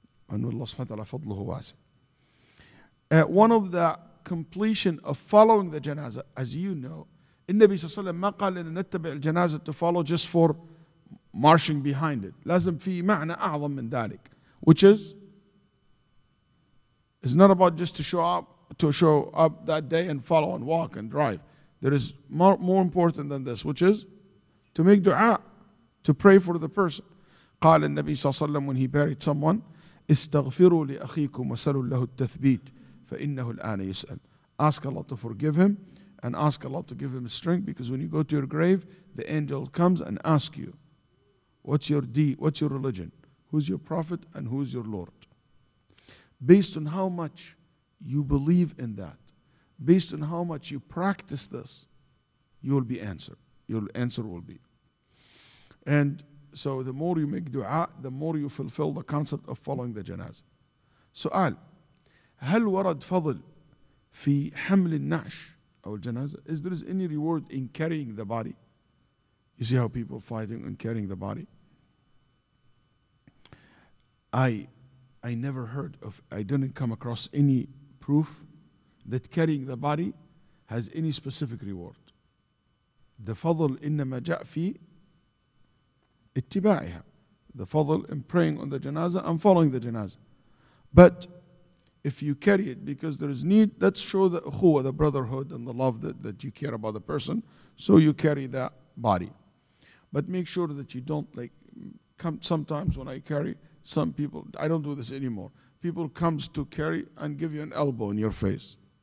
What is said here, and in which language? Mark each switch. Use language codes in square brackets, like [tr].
[en] And Allah subhanahu wa ta'ala fadluhu wasi. One of the completion of following the janazah, as you know, in Nabi sallallahu alayhi wa sallam, [ar] ما قال لنا نتبع الجنازة [en] to follow just for marching behind it. [ar] لازم في معنى أعظم من ذلك. [en] Which is, it's not about just to show up that day and follow and walk and drive. There is more important than this, which is to make dua, to pray for the person. [ar] قال النبي صلى الله عليه وسلم [en] when he buried someone, [ar] استغفروا لأخيكم وسلوا له التثبيت فإنه الآن يسأل. [en] Ask Allah to forgive him and ask Allah to give him strength, because when you go to your grave, the angel comes and asks you, what's your religion? who's your prophet and who's your Lord. Based on how much you believe in that, based on how much you practice this, you will be answered. Your answer will be. And so the more you make dua, the more you fulfill the concept of following the janazah. [ar] سؤال, هل ورد فضل في حمل النعش أو الجنازة? [en] Is there any reward in carrying the body? You see how people are fighting and carrying the body? I never heard of, I didn't come across any proof that carrying the body has any specific reward. [ar] The فضل إنما جاء في اتباعها. [en] The فضل in praying on the janazah and following the janazah. But if you carry it because there is need, let's show the ukhuwa, the brotherhood and the love that you care about the person, so you carry that body. But make sure that you don't, like, come. Sometimes when I carry, some people, I don't do this anymore, people comes to carry and give you an elbow in your face.